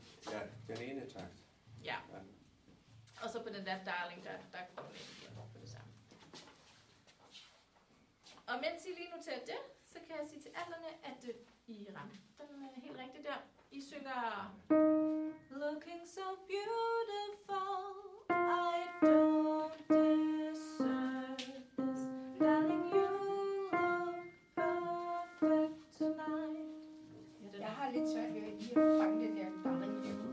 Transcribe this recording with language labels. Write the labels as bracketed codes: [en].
[da] Ja, den ene takt. Ja. Og så på den der darling, der går ind på det samme. Og mens I lige noterer det, så kan jeg sige til alderne, at I ramte den helt rigtigt der. I synger... [en] Looking so beautiful, I don't deserve this. Darling, you look perfect tonight. [da] Jeg har lidt svært ved at fange det der darling.